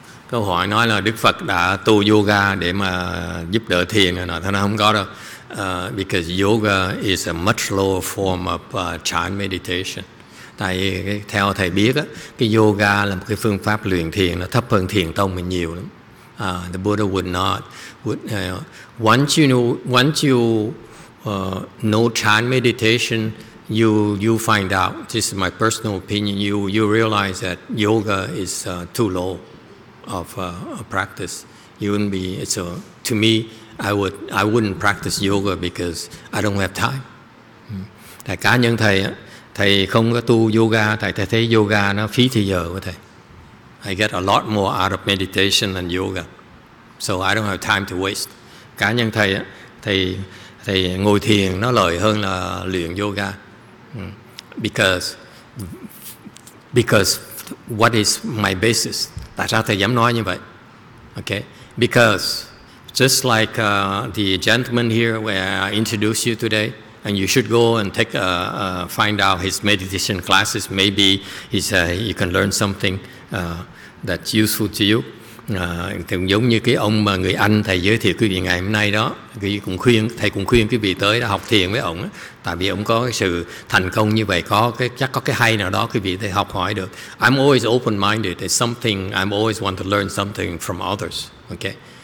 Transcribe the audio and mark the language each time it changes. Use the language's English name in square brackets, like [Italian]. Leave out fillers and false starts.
[Vietnamese] Câu hỏi nói là Đức Phật đã tu yoga để mà giúp đỡ thiền rồi nọ, thế nó không có đâu. [English] Because yoga is a much lower form of chan meditation. [Vietnamese] Tại theo thầy biết á, cái yoga là một cái phương pháp luyện thiền, nó thấp hơn thiền tông mình nhiều lắm. [English] The Buddha once you know chan meditation, you find out, this is my personal opinion, you realize that yoga is too low of a practice. You wouldn't be, so to me, I wouldn't practice yoga because I don't have time. [Vietnamese] Tại cá nhân thầy á, thầy không có tu yoga, tại thầy thấy yoga nó phí thời giờ của thầy. [English] I get a lot more out of meditation than yoga, so I don't have time to waste. [Vietnamese] Cá nhân thầy á, thầy ngồi thiền nó lợi hơn là luyện yoga. [English] Because what is my basis? [Vietnamese] Tại sao thầy dám nói như vậy? [English] Okay, because just like the gentleman here where I introduced you today, and you should go and take find out his meditation classes. Maybe he's you can learn something that's useful to you. [Vietnamese] Thì giống như cái ông mà người Anh thầy giới thiệu quý vị ngày hôm nay đó, thầy cũng khuyên quý vị tới đó học thiền với ông, tại vì ông có cái sự thành công như vậy, có cái hay nào đó quý vị thầy học hỏi được. [English] I'm always open minded. There's something I'm always want to learn something from others. Okay.